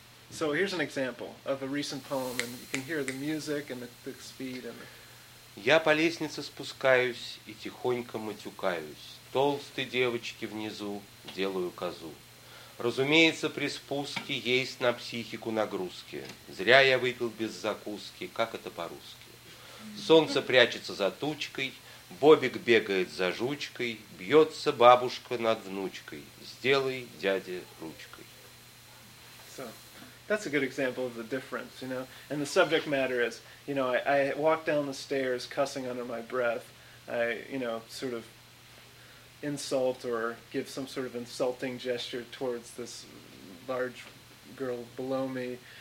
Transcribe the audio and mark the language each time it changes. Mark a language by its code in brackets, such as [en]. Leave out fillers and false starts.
[en] So here's an example of a recent poem, and you can hear the music and the speed and. [ru] Я по лестнице спускаюсь и тихонько матюкаюсь. Толстой девочке внизу делаю козу. Разумеется, при спуске есть на психику нагрузки. Зря я выпил без закуски, как это по-русски. Солнце прячется за тучкой, Бобик бегает за жучкой, бьется бабушка над внучкой. Сделай дяде ручкой. [en] That's a good example of the difference, you know. And the subject matter is, you know, I walk down the stairs cussing under my breath. I, you know, sort of insult or give some sort of insulting gesture towards this large girl below me.